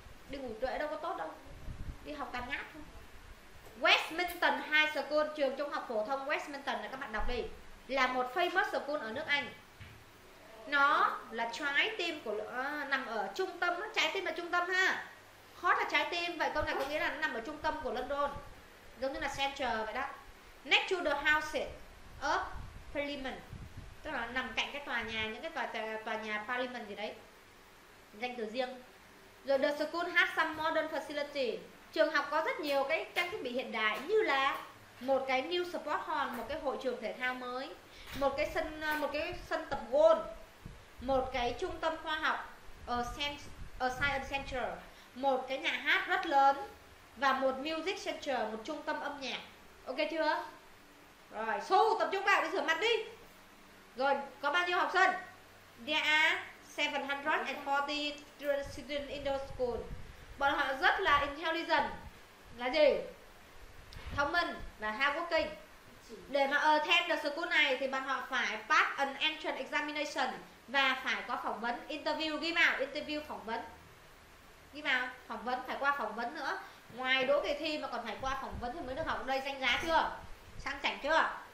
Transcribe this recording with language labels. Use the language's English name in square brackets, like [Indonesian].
[Vietnamese] Đi ngủ trễ đâu có tốt đâu. Đi học càng ngáp thôi. Westminster High School, trường trung học phổ thông Westminster này các bạn đọc đi, là một [English] famous school [Vietnamese] ở nước Anh. Nó là trái tim của nằm ở trung tâm, trái tim là trung tâm ha. Heart là trái tim, vậy câu này có nghĩa là nó nằm ở trung tâm của London. Giống như là center vậy đó. [English] Next to the houses of Parliament. [Vietnamese] Tức là nằm cạnh cái tòa nhà, những cái tòa nhà Parliament gì đấy. Danh từ riêng. [English] Rồi the school has some modern facility. [Vietnamese] Trường học có rất nhiều cái trang thiết bị hiện đại, như là một cái [English] new sport hall, [Vietnamese] một cái hội trường thể thao mới, một cái sân tập golf, một cái trung tâm khoa học ở [English] science center, [Vietnamese] một cái nhà hát rất lớn và một [English] music center, [Vietnamese] một trung tâm âm nhạc. Ok chưa? Rồi, Su tập trung vào đi rửa mặt đi. Rồi, có bao nhiêu học sinh? [English] There are 740 students in the school. [Vietnamese] Bọn họ rất là intelligent. Là gì? Thông minh và hardworking. Để mà [English] attend the school [Vietnamese] này thì bọn họ phải [English] pass an entrance examination [Vietnamese] và phải có phỏng vấn, interview, ghi vào interview phỏng vấn. Ghi vào phỏng vấn, phải qua phỏng vấn nữa. Ngoài đỗ kỳ thi mà còn phải qua phỏng vấn thì mới được học. Đây danh giá chưa? Sang chảnh chưa?